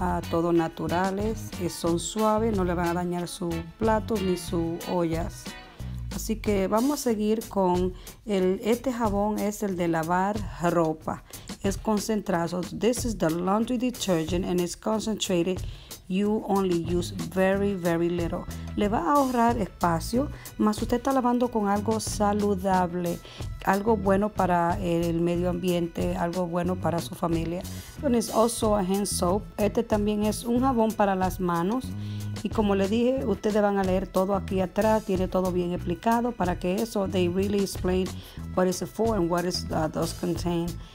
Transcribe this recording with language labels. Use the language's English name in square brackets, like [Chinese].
[Spanish] Todo naturales, y son suaves, no le van a dañar su plato ni sus ollas. Así que vamos a seguir con este jabón es el de lavar ropa. Es concentrado. [English] This is the laundry detergent and it's concentrated. You only use very, very little. [Spanish] Le va a ahorrar espacio, más usted está lavando con algo saludable, algo bueno para el medio ambiente, algo bueno para su familia. [English] And it's also a hand soap. [Spanish] Este también es un jabón para las manos. Y como le dije, ustedes van a leer todo aquí atrás, tiene todo bien explicado para que eso, [English] they really explain what is it for and what it does contain.